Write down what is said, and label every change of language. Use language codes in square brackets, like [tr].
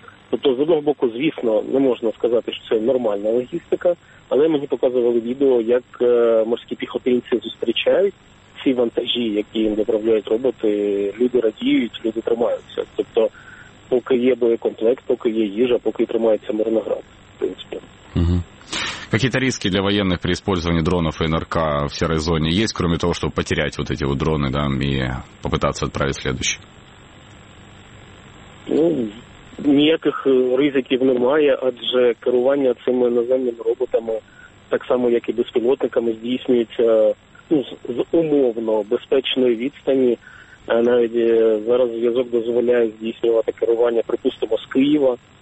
[uk] Тобто, з одного боку, звісно, не можна сказати, що це нормальна логістика, але мені показували відео, як морські піхотинці зустрічають ці вантажі, які їм доправляють роботи. Люди радіють, люди тримаються. Тобто, поки є боєкомплект, поки є їжа, поки тримається Мирноград. [ru] Какие-то риски для военных при использовании дронов и НРК в серой зоне есть, кроме того, чтобы потерять вот эти вот дроны, да, и попытаться отправить следующий? Ну, никаких рисков [uk] немає, адже керування цими наземними роботами, так само, як і безпілотниками, здійснюється, ну, з умовно безпечної відстані. Навіть зараз зв'язок дозволяє здійснювати керування, припустимо, з Києва.